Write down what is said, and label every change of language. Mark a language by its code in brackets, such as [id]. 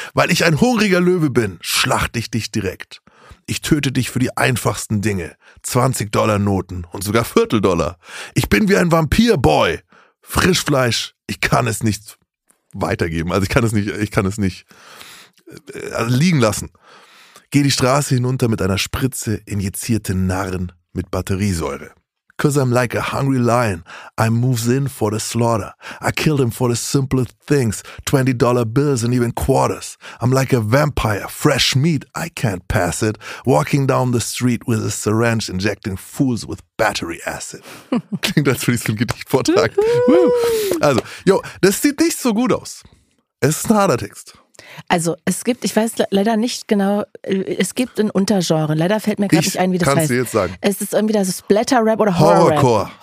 [de] Weil ich ein hungriger Löwe bin, schlachte ich dich direkt. Ich töte dich für die einfachsten Dinge, 20-Dollar-Noten und sogar Vierteldollar. Ich bin wie ein Vampir-Boy, Frischfleisch, ich kann es nicht weitergeben. Also ich kann es nicht liegen lassen. Geh die Straße hinunter mit einer Spritze, injizierte Narren mit Batteriesäure. [en] 'Cause I'm like a hungry lion. I moves in for the slaughter. I kill them for the simplest things. $20 bills and even quarters. I'm like a vampire. Fresh meat. I can't pass it. Walking down the street with a syringe, injecting fools with battery acid. [de] Klingt, als würde ich so ein Gedicht vortragen. Also, yo, das sieht nicht so gut aus. Es ist ein harter Text. Also, es gibt, ich weiß leider nicht genau, es gibt ein Untergenre. Leider fällt mir gerade nicht ein, wie das heißt. Kannst du jetzt sagen. Es ist irgendwie das Splatter-Rap oder Horror-Rap.